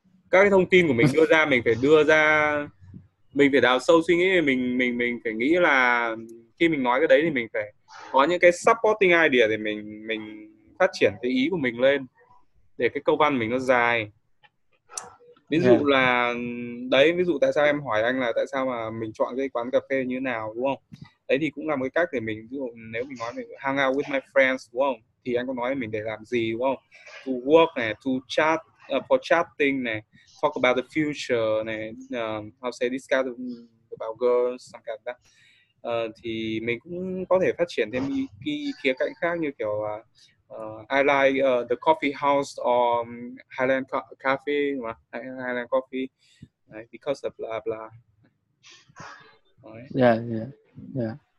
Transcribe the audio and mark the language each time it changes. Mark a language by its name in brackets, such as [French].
[Vietnamese] Các cái thông tin của mình đưa ra, mình phải đưa ra, mình phải đào sâu suy nghĩ, mình phải nghĩ là khi mình nói cái đấy thì mình phải có những cái supporting idea để mình phát triển cái ý của mình lên, để cái câu văn mình nó dài. Ví dụ là, đấy, ví dụ tại sao em hỏi anh là tại sao mà mình chọn cái quán cà phê như thế nào, đúng không? Đấy thì cũng là một cái cách để mình, ví dụ nếu mình nói mình [English] hang out with my friends, [Vietnamese] đúng không? Thì anh có nói mình để làm gì, đúng không? [English] To work [Vietnamese] này, [English] to chat, for chatting này, talk about the future này, how to say, discuss about girls, some kind of that. [Vietnamese] Thì mình cũng có thể phát triển thêm cái khía cạnh khác như kiểu [English] I like the coffee house or Highland Cafe, Highland Coffee, [Vietnamese] right? [English] Because of blah blah. Right. Yeah.